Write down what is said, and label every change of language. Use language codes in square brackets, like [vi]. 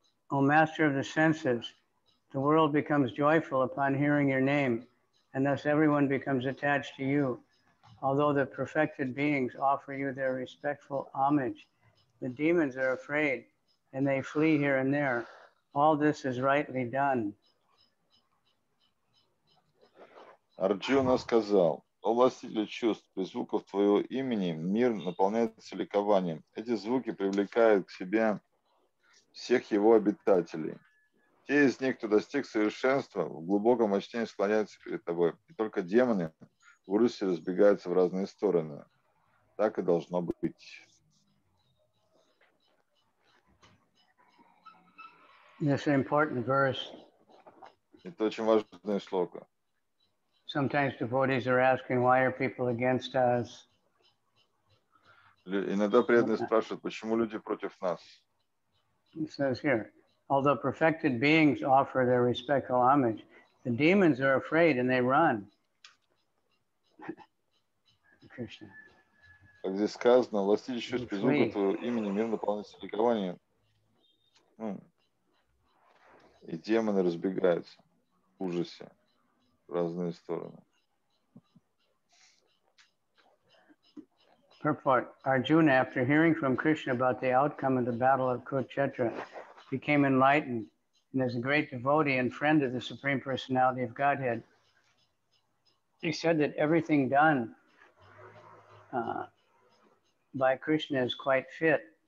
[en] O master of the senses, the world becomes joyful upon hearing your name, and thus everyone becomes attached to you. Although the perfected beings offer you their respectful homage, the demons are afraid and they flee here and there. All this is rightly done. [ru] Арджуна сказал: «О властитель чувств, при звуках твоего имени мир наполняется ликованием. Эти звуки привлекают к себе всех его обитателей. Те из них, кто достиг совершенства, в глубоком очтении склоняются перед тобой, и только демоны в ужасе разбегаются в разные стороны. Так и должно быть». [en] This is an important verse. [ru] Это очень важное слово. [en] Sometimes devotees are asking, why are people against us? [ru] Иногда преданные спрашивают, почему люди против нас? [en] It says here, although perfected beings offer their respectful homage, the demons are afraid and they run. [ru] Как здесь сказано, властитель чувств, при звуках твоего имени мир наполняется ликованием. И демоны разбегаются в ужасе в разные стороны. [en] Purport. Arjuna, after hearing from Krishna about the outcome of the battle of Kurukshetra, became enlightened and is a great devotee and friend of the Supreme Personality of Godhead. He said that everything done by Krishna is quite fit.